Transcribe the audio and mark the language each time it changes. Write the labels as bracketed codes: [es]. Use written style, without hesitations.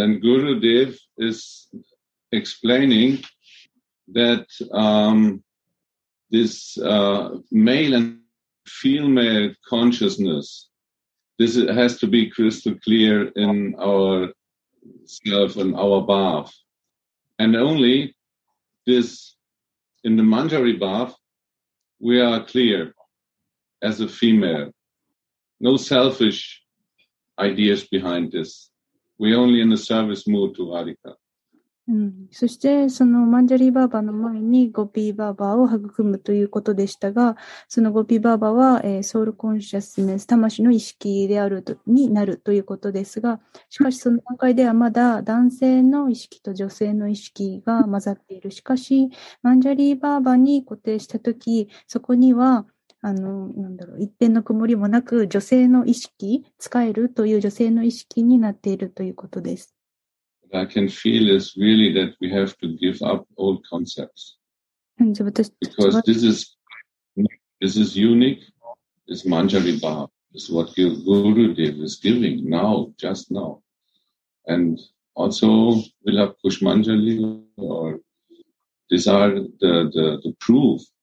[en] And Gurudev is explaining that this male and female consciousness, this has to be crystal clear in our self and our bhav. And only this, in the Manjari bhav, we are clear. As a female, no selfish ideas behind this. We're only in a service mood to Radhika. [ja] そしてそのマンジャリーバーバーの前にゴピーバーバーを育むということでしたが、そのゴピーバーバーは、ソウルコンシャスネス、魂の意識であるとになるということですが、しかしその段階ではまだ男性の意識と女性の意識が混ざっている。しかしマンジャリーバーバーに固定したとき、そこには一点の曇りもなく女性の意識、使えるという女性の意識になっているということです。 [en] What I can feel is really that we have to give up old concepts. Because this is unique, this Manjari Bhav is what Gurudev is giving now, just now. And also Vilapkush Manjali or these are the proof